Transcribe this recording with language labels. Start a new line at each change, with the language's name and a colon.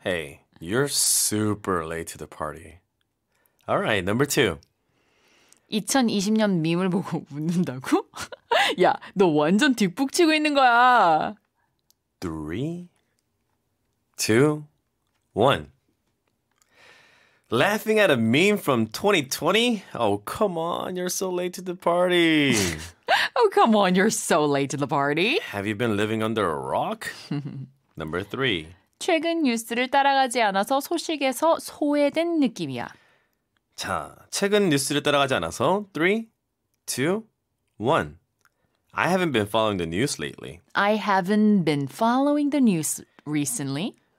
English: hey you're super late to the party alright number two
Korean: 2020년 밈을 보고 웃는다고? 야, 너 완전 뒷북 치고 있는 거야.
English: 3, 2, 1 Laughing at a meme from 2020? Oh, come on, you're so late to the party. oh, come on, you're so late to the party. Have you been living under a rock? Number 3.
Korean: 최근 뉴스를 따라가지 않아서 소식에서 소외된 느낌이야. 자, 최근 뉴스를 따라가지 않아서
English: 3, 2, 1 I haven't been following the news lately. I haven't been following the news recently.